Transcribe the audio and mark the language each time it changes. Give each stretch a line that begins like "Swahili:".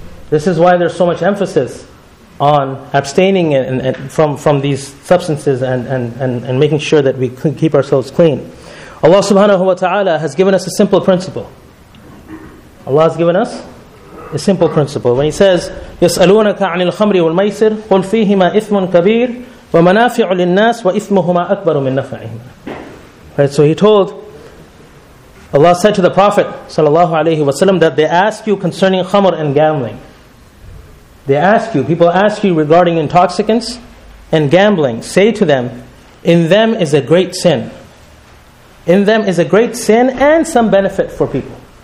English: This is why there's so much emphasis on abstaining from these substances and making sure that we keep ourselves clean. Allah subhanahu wa ta'ala has given us a simple principle. Allah has given us a simple principle. When he says,
Arabic: يَسْأَلُونَكَ عَنِ الْخَمْرِ وَالْمَيْسِرِ قُلْ فِيهِمَا إِثْمٌ كَبِيرٌ وَمَنَافِعُ لِلنَّاسِ وَإِثْمُهُمَا أَكْبَرُ مِنْ نَفْعِهِمَا.
English: Right, so he told, Allah said to the Prophet sallallahu alayhi wa sallam, that they ask you concerning khamr and gambling. They ask you, people ask you regarding intoxicants and gambling. Say to them, in them is a great sin. In them is a great sin and some benefit for people.